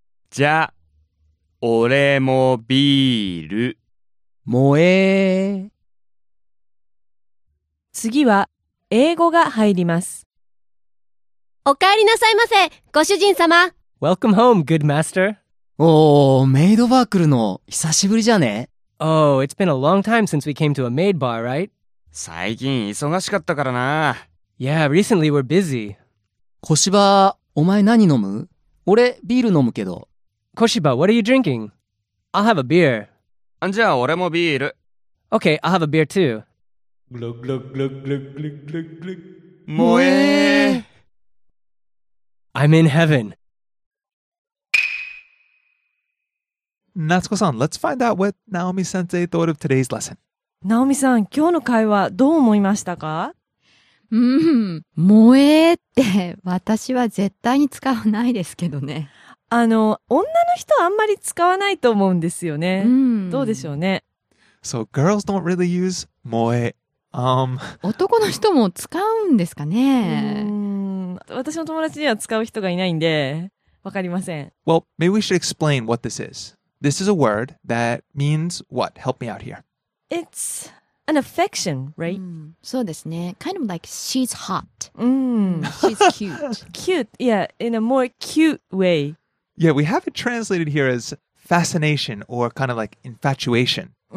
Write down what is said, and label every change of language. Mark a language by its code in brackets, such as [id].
[ja] じゃ俺もビール。もえー。次は英語が入ります。お帰りなさいませ、ご主人様。 [en] Welcome home, good master. [ja] おー、メイドバー来るの久しぶりじゃね。 [en] Oh, it's been a long time since we came to a maid bar, right? [ja] 最近忙しかったからな。 [en] Yeah, recently we're busy. [ja] 小芝、お前何飲む？俺ビール飲むけど。 [en] Koshiba, what are you drinking? I'll have a beer. [ja] And じゃあ俺もビール。 [en] Okay, I'll have a beer too. Glug glug glug glug glug glug glug. [ja] Moe! [en] I'm in heaven. Natsuko-san, let's find out what Naomi-sensei thought of today's lesson. [ja] Naomi-san, 今日の会話どう思いましたか？ Moe って私は絶対に使わないですけどね。あの、女の人はあんまり使わないと思うんですよね。どうでしょうね。 So, girls don't really use 萌え。男の人も使うんですかね。私の友達には使う人がいないんで、わかりません。 [en] Well, maybe we should explain what this is. This is a word that means what? Help me out here. It's an affection, right? [ja] そうですね。 [en] Kind of like she's hot. She's cute. Cute, yeah, in a more cute way. Yeah, we have it translated here as fascination or kind of like infatuation.